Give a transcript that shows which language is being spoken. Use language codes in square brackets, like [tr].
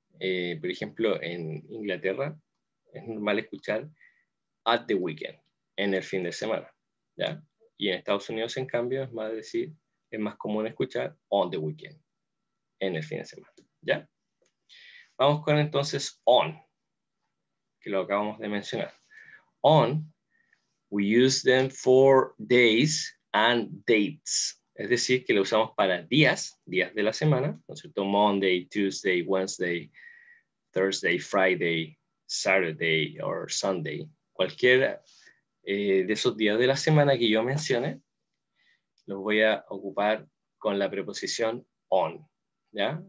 [es] Por ejemplo, en Inglaterra es normal escuchar [en] at the weekend, [es] en el fin de semana, ¿ya? Y en Estados Unidos, en cambio, es más decir, es más común escuchar [en] on the weekend, [es] en el fin de semana, ¿ya? Vamos con entonces on, que lo acabamos de mencionar. [en] On, we use them for days and dates. [es] Es decir, que lo usamos para días, días de la semana, ¿no es cierto? [en] Monday, Tuesday, Wednesday, Thursday, Friday, Saturday or Sunday. [es] Cualquiera de esos días de la semana que yo mencione, los voy a ocupar con la preposición on, ¿ya?